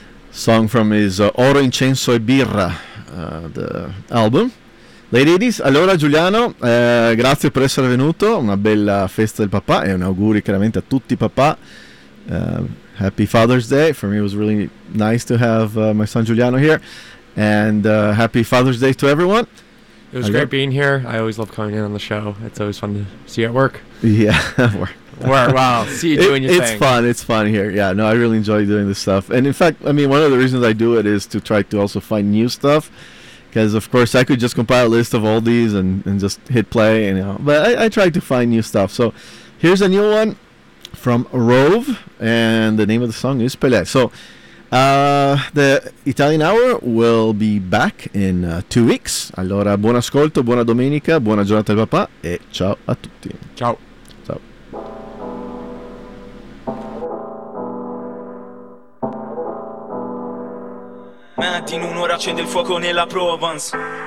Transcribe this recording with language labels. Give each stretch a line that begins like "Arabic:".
English: Song from his Oro, Incenso e Birra, the album.
Italian: Ladies, allora Giuliano, grazie per essere venuto, una bella festa del papà e un auguri chiaramente a tutti i papà.
English: Happy Father's Day. For me it was really nice to have my son Giuliano here. And happy Father's Day to everyone. It was great being here. I always love coming in on the show. It's always fun to see you at work. Yeah. Wow. See you doing your thing. It's fun. It's fun here. Yeah. No, I really enjoy doing this stuff. And in fact, I mean, one of the reasons I do it is to try to also find new stuff. Because, of course, I could just compile a list of oldies and just hit play. And you know, but I try to find new stuff. So Here's a new one from Rove, and the name of the song is Pelé. So the Italian Hour will be back in 2 weeks.
Italian: Allora, buon ascolto, buona domenica, buona giornata al papà e ciao a tutti. Ciao. Metti in un'ora, accende il fuoco nella Provence.